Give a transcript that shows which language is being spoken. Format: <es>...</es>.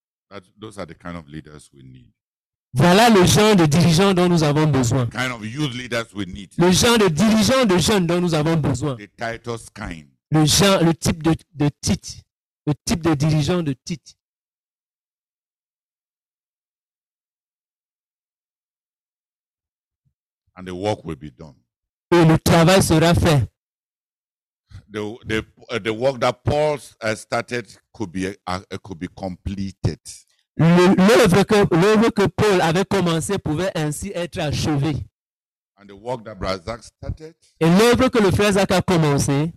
<en>That, those are the kind of leaders we need.</en> <fr>Voilà le genre de dirigeants dont nous avons besoin.</fr> <en>The kind of youth leaders we need.</en> <fr>Le genre de dirigeants de jeunes dont nous avons besoin.</fr> <en>The Titus kind.</en> <fr>Le genre, le type de Tite. Le type de dirigeant de Tite.</fr> <en>And the work will be done.</en> <fr>Et le travail sera fait.</fr> <en>The work that Paul started could be completed.</en> <fr>L'œuvre que Paul avait commencé pouvait ainsi être achevée.</fr> <en>And the work that Brother Zach started.</en> <fr>Et l'œuvre que le frère Zach a commencé</fr>